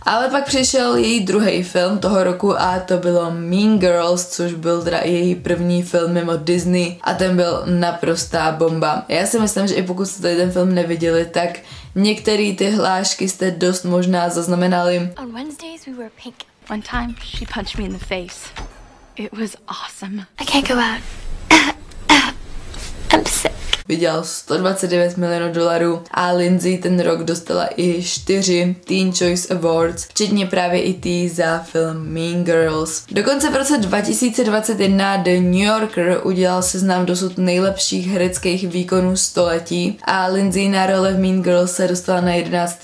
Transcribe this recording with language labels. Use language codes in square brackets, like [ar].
[cs] Ale pak přišel její druhý film toho roku a to bylo Mean Girls, což byl teda její první film mimo Disney a ten byl naprostá bomba. Já si myslím, že i pokud jste tady ten film neviděli, tak některé ty hlášky jste dost možná zaznamenali. [en] On Wednesdays we were pink. One time she punched me in the face. It was awesome. I can't go out. I'm sick. [cs] Vydělal 129 milionů dolarů a Lindsay ten rok dostala i 4 Teen Choice Awards, včetně právě i tý za film Mean Girls. Dokonce v roce 2021 The New Yorker udělal seznam dosud nejlepších hereckých výkonů století a Lindsay na role v Mean Girls se dostala na 11.